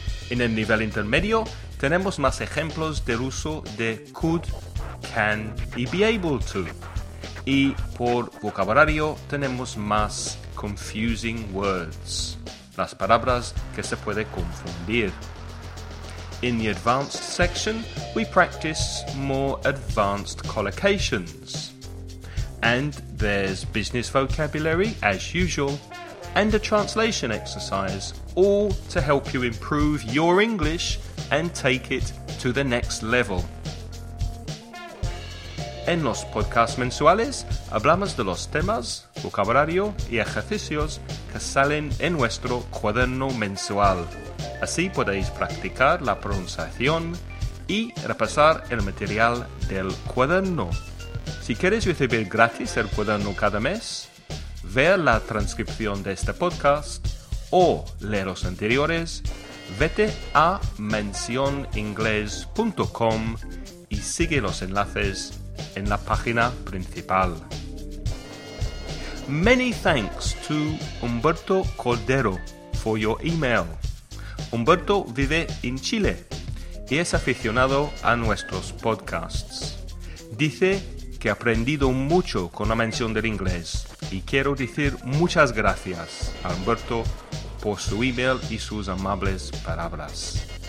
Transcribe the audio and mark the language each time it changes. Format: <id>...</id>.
<es>En el nivel intermedio, tenemos más ejemplos del uso de could, can y be able to. Y por vocabulario tenemos más confusing words, las palabras que se puede confundir.</es> <en>In the advanced section, we practice more advanced collocations. And there's business vocabulary, as usual, and a translation exercise, all to help you improve your English and take it to the next level.</en> <es>En los podcasts mensuales, hablamos de los temas, vocabulario y ejercicios que salen en nuestro cuaderno mensual. Así podéis practicar la pronunciación y repasar el material del cuaderno. Si quieres recibir gratis el cuaderno cada mes, ver la transcripción de este podcast o leer los anteriores, vete a mencioningles.com y sigue los enlaces en la página principal.</es> <en>Many thanks to Humberto Cordero for your email.</en> <es>Humberto vive en Chile y es aficionado a nuestros podcasts. Dice que ha aprendido mucho con la mención del inglés y quiero decir muchas gracias a Humberto por su email y sus amables palabras.</es>